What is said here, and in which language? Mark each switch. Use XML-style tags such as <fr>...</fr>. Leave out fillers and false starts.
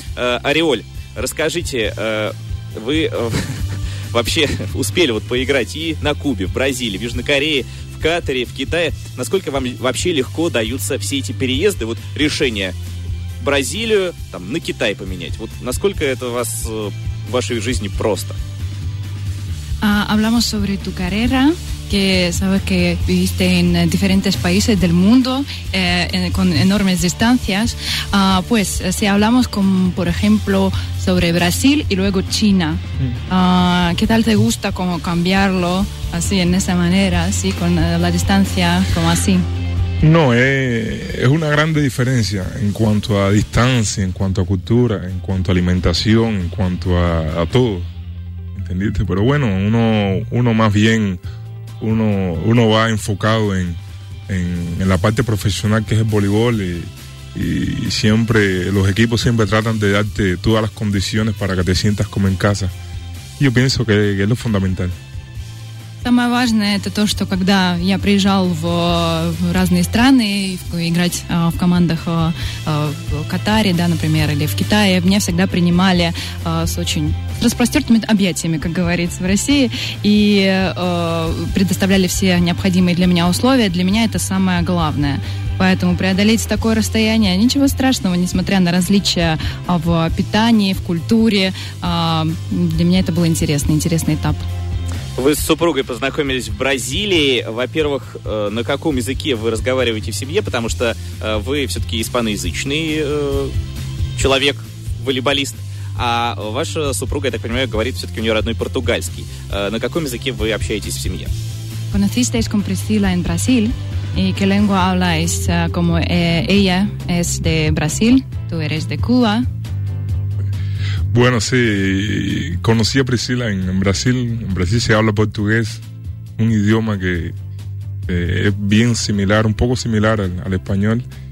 <ru>«Ореоль», расскажите, вы вообще успели вот поиграть и на Кубе, в Бразилии, в Южной Корее, в Катаре, в Китае. Насколько вам вообще легко даются все эти переезды, вот решение Бразилию там, на Китай поменять? Вот насколько это у вас в вашей жизни просто?</ru> <es>Hablamos sobre tu carrera, que sabes que viviste en diferentes países del mundo con enormes distancias. Pues si hablamos con, por ejemplo, sobre Brasil y luego China, ¿qué tal te gusta como cambiarlo así en esa manera, así con la distancia como así? No, es una grande diferencia en cuanto a distancia, en cuanto a cultura, en cuanto a alimentación, en cuanto a todo. ¿Entendiste? Pero bueno, uno más bien, uno va enfocado en la parte profesional que es el voleibol y siempre, los equipos siempre tratan de darte todas las condiciones para que te sientas como en casa. Y yo pienso que es lo fundamental.</es> <ru>Самое важное – это то, что когда я приезжал в разные страны играть в командах в Катаре, да, например, или в Китае, меня всегда принимали с очень распростертыми объятиями, как говорится, в России, и предоставляли все необходимые для меня условия. Для меня это самое главное. Поэтому преодолеть такое расстояние – ничего страшного, несмотря на различия в питании, в культуре. Для меня это был интересный этап. Вы с супругой познакомились в Бразилии. Во-первых, на каком языке вы разговариваете в семье? Потому что вы все-таки испаноязычный человек, волейболист. А ваша супруга, я так понимаю, говорит все-таки у нее родной португальский. На каком языке вы общаетесь в семье?</ru> <es>Conocisteis con Priscila en Brasil. ¿Y qué lengua habláis? Como ella es de Brasil, tú eres de Cuba. Bueno, sí, conocí a Priscila en Brasil. En Brasil se habla portugués, un idioma que es bien similar, un poco similar al español.</es>